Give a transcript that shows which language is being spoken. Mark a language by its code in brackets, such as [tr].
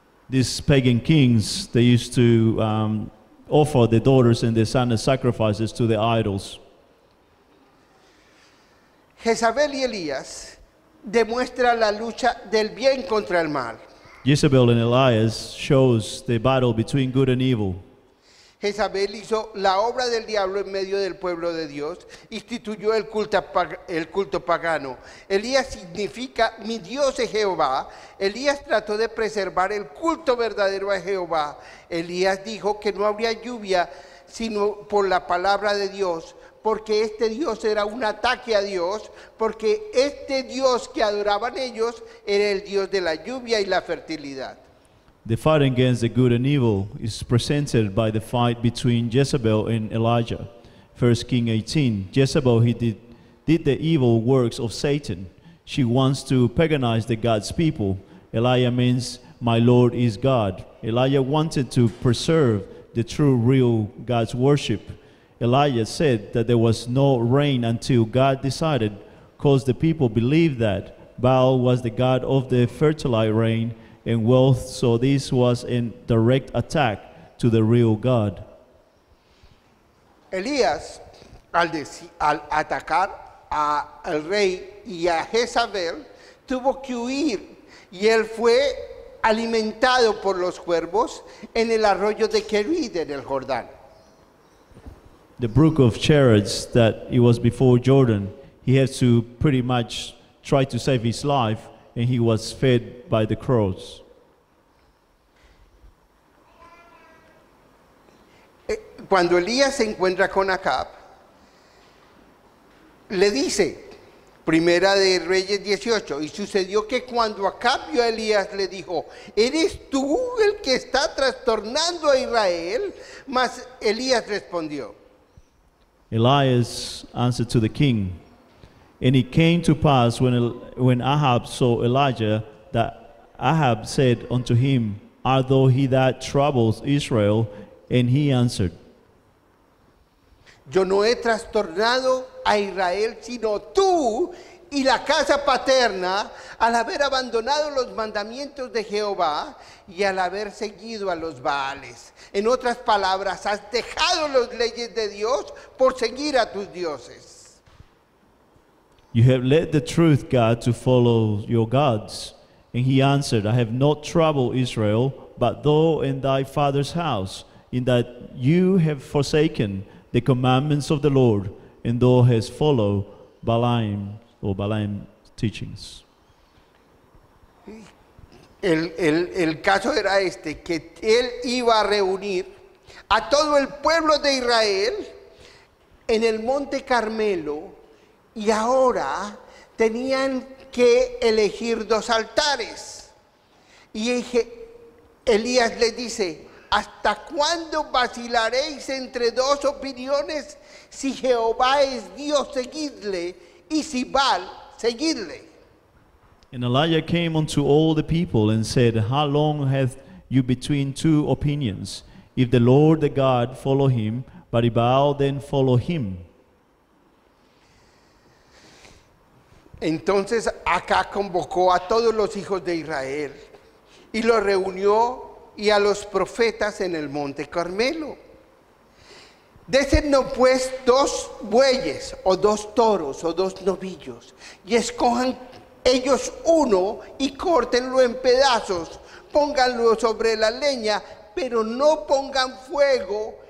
[en] These pagan kings, they used to offer the daughters and their sons as sacrifices to the idols. [es] Jezabel y Elías demuestra la lucha del bien contra el mal. [en] Jezebel and Elias shows the battle between good and evil. [es] Jezabel hizo la obra del diablo en medio del pueblo de Dios, instituyó el culto pagano. Elías significa mi Dios es Jehová. Elías trató de preservar el culto verdadero a Jehová. Elías dijo que no habría lluvia sino por la palabra de Dios, porque este Dios era un ataque a Dios, porque este Dios que adoraban ellos era el Dios de la lluvia y la fertilidad. [en] The fight against the good and evil is presented by the fight between Jezebel and Elijah. 1 Kings 18, Jezebel, he did the evil works of Satan. She wants to paganize the God's people. Elijah means, my Lord is God. Elijah wanted to preserve the true, real God's worship. Elijah said that there was no rain until God decided, because the people believed that Baal was the god of the fertilized rain and wealth, so this was a direct attack to the real God. [es] Elías, al atacar al rey y a Jezabel, tuvo que huir, y él fue alimentado por los cuervos en el arroyo de Querid en el Jordán. [en] The brook of Cherids, that it was before Jordan, he had to pretty much try to save his life, and he was fed by the crows. [es] Cuando Elías se encuentra con Acab, le dice, Primera de Reyes 18. Y sucedió que cuando Acab vio a Elías, le dijo: ¿Eres tú el que está trastornando a Israel? Mas Elías respondió. [en] Elias answered to the king. And it came to pass when Ahab saw Elijah, that Ahab said unto him, Art thou he that troubles Israel? And he answered, [es] Yo no he trastornado a Israel, sino tú y la casa paterna, al haber abandonado los mandamientos de Jehová y al haber seguido a los Baales. En otras palabras, has dejado las leyes de Dios por seguir a tus dioses. [en] You have led the truth, God, to follow your gods. And he answered, I have not troubled Israel, but thou and thy father's house, in that you have forsaken the commandments of the Lord, and thou hast followed Balaam's teachings. [es] El caso era este, que él iba a reunir a todo el pueblo de Israel en el Monte Carmelo, y ahora tenían que elegir dos altares. Y Elías les dice, ¿hasta cuándo vacilaréis entre dos opiniones? Si Jehová es Dios, seguidle, y si Baal, seguidle. [en] And Elijah came unto all the people and said, How long hath you between two opinions? If the Lord the God, follow him, but if Baal, then follow him. [es] Entonces Acá convocó a todos los hijos de Israel y los reunió y a los profetas en el monte Carmelo. Désennos pues dos bueyes o dos toros o dos novillos y escojan ellos uno y córtenlo en pedazos, pónganlo sobre la leña, pero no pongan fuego.